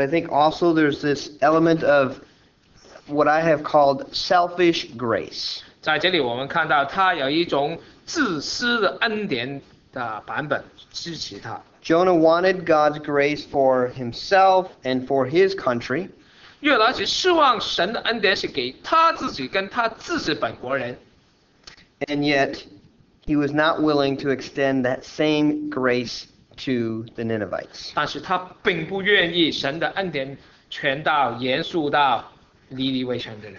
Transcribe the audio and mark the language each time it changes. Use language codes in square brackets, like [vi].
[en] I think also there's this element of what I have called selfish grace. [zh] 在这里我们看到他有一种自私的恩典的版本支持他。 [en] Jonah wanted God's grace for himself and for his country. [zh] 约拿只希望神的恩典是给他自己跟他自己本国人。 [en] And yet, he was not willing to extend that same grace to the Ninevites. [zh] 但是他并不愿意神的恩典传到严肃到尼尼微城的人。